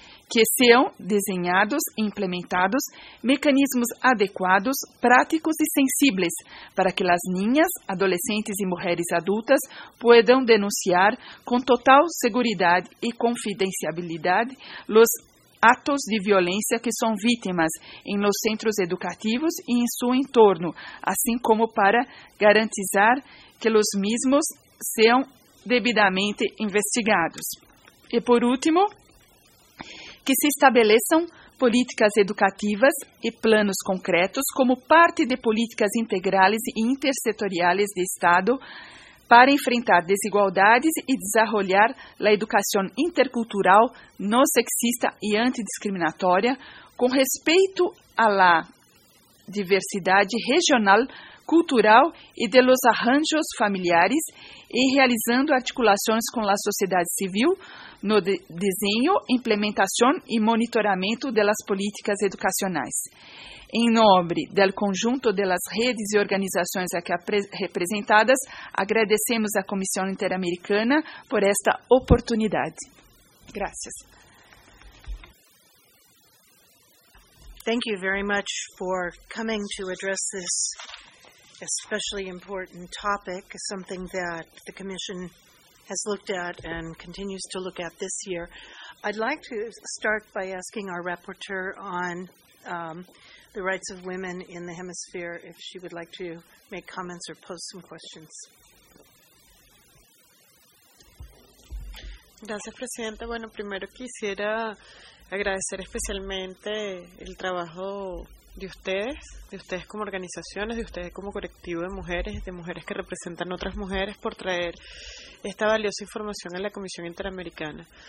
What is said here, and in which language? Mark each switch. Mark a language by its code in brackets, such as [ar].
[es] Que sean diseñados e implementados mecanismos adecuados, prácticos y sensibles para que las niñas, adolescentes y mujeres adultas puedan denunciar con total seguridad y confidencialidad los actos de violencia que son víctimas en los centros educativos y en su entorno, así como para garantizar que los mismos sean debidamente investigados. Y por último, que se [pt] estabeleçam políticas educativas e planos concretos como parte de políticas integrales e intersetoriales de Estado para enfrentar desigualdades e desarrollar a educação intercultural não sexista e antidiscriminatória com respeito à diversidade regional, cultural e de los arranjos familiares e realizando articulações com a sociedade civil no desenho, implementação e monitoramento das políticas educacionais. Em nome do conjunto das redes e organizações aqui representadas, agradecemos à Comissão Interamericana por esta oportunidade. Graças. [en] Thank you very much for coming to address this especially important topic, something that the Commission has looked at and continues to look at this year. I'd like to start by asking our rapporteur on the rights of women in the hemisphere if she would like to make comments or pose some questions. [es] Gracias, Presidenta. Bueno, primero quisiera agradecer especialmente el trabajo de ustedes como organizaciones, de ustedes como colectivo de mujeres que representan otras mujeres, por traer esta valiosa información a la Comisión Interamericana.